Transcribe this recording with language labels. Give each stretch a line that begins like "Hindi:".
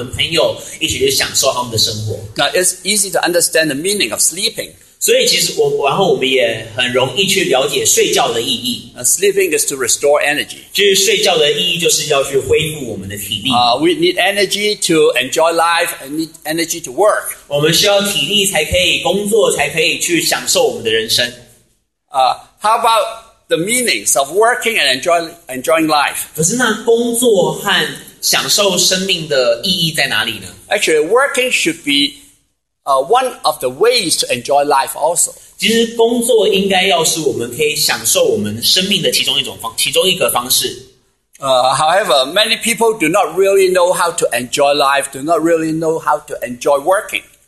Chinese: 然后享受与他们的这个实际的家庭，或者是他们的属灵家庭，或者是与他们朋友一起去享受他们的生活.
English: Now it's easy to understand the meaning of sleeping.
Chinese: 所以其实我们也很容易去了解睡觉的意义.
English: Sleeping is to restore energy.
Chinese: 就是睡觉的意义就是要去恢复我们的体力.
English: We need energy to enjoy life and need energy to work.
Chinese: 我们需要体力才可以工作，才可以去享受我们的人生.
English: How about the meanings of working and enjoying life?
Chinese: 可是那工作和享受生命的意义在哪里呢?
English: Actually, working should be one of the ways to enjoy life also.
Chinese: 其实工作应该要是我们可以享受我们生命的其中一个方式.
English: However, many people do not really know how to enjoy life, do not really know how to enjoy working.